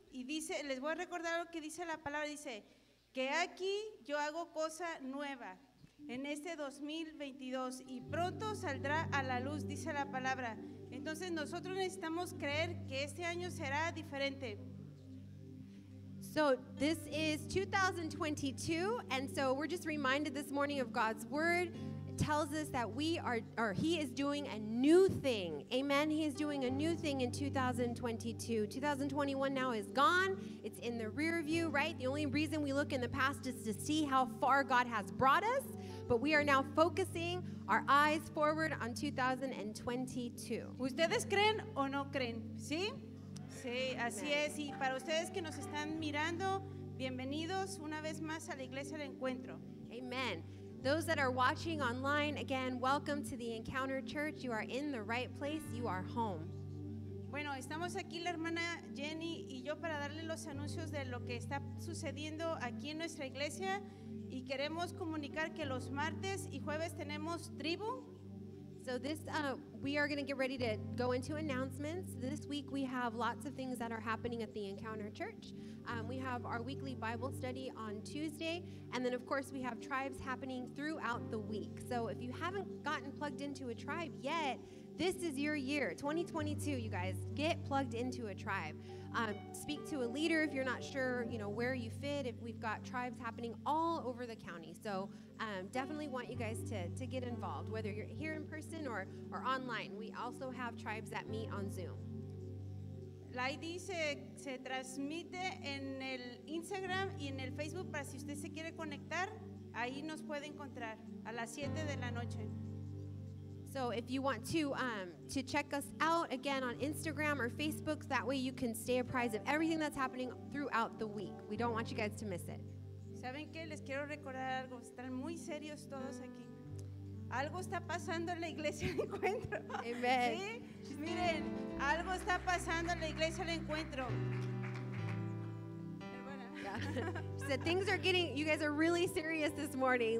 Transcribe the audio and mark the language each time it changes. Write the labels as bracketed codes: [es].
[es] Y dice, les voy a recordar lo que dice la palabra, dice, que aquí yo hago cosa nueva en este 2022 y pronto saldrá a la luz, dice la palabra. Entonces nosotros necesitamos creer que este año será diferente. [en] So this is 2022, and so we're just reminded this morning of God's word. It tells us that he is doing a new thing. Amen. He is doing a new thing in 2022. 2021 now is gone. It's in the rear view, right? The only reason we look in the past is to see how far God has brought us, but we are now focusing our eyes forward on 2022. [es] ¿Ustedes creen o no creen? ¿Sí? Sí, así es. Y para ustedes que nos están mirando, bienvenidos una vez más a la Iglesia del Encuentro. [en] Amen. Those that are watching online, again, welcome to the Encounter Church. You are in the right place. You are home. [es] Bueno, estamos aquí la hermana Jenny y yo para darle los anuncios de lo que está sucediendo aquí en nuestra iglesia. Y queremos comunicar que los martes y jueves tenemos tribu. [en] So this, we are going to get ready to go into announcements. This week we have lots of things that are happening at the Encounter Church. We have our weekly Bible study on Tuesday, and then of course we have tribes happening throughout the week. So if you haven't gotten plugged into a tribe yet, this is your year, 2022, you guys. Get plugged into a tribe. Speak to a leader if you're not sure, you know, where you fit. If we've got tribes happening all over the county. So definitely want you guys to get involved, whether you're here in person or online. We also have tribes that meet on Zoom. [es] La ID se transmite en el Instagram y en el Facebook, para si usted se quiere conectar, ahí nos puede encontrar a las 7 de la noche. [en] So if you want to check us out again on Instagram or Facebook, that way you can stay apprised of everything that's happening throughout the week. We don't want you guys to miss it. [es] ¿Saben qué? Les quiero recordar algo. Están muy serios todos aquí. Algo está pasando en la iglesia del encuentro. Amen. ¿Sí? Miren, algo está pasando en la iglesia del encuentro. [en] Yeah. She said, things are getting, you guys are really serious this morning.